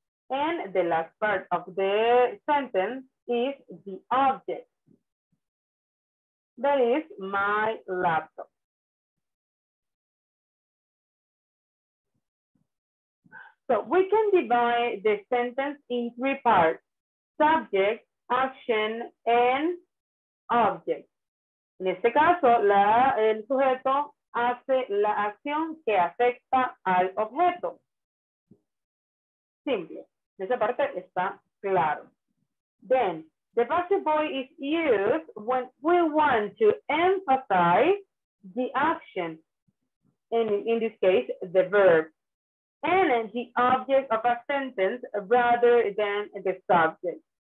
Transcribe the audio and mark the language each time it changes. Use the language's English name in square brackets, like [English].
[English] And the last part of the sentence is the object, that is my laptop. So we can divide the sentence in three parts: subject, action, and object. [Spanish] En este caso, el sujeto hace la acción que afecta al objeto. Simple. En esa parte está claro. [English] Then, the passive voice is used when we want to emphasize the action, in this case, the verb, and the object of a sentence rather than the subject.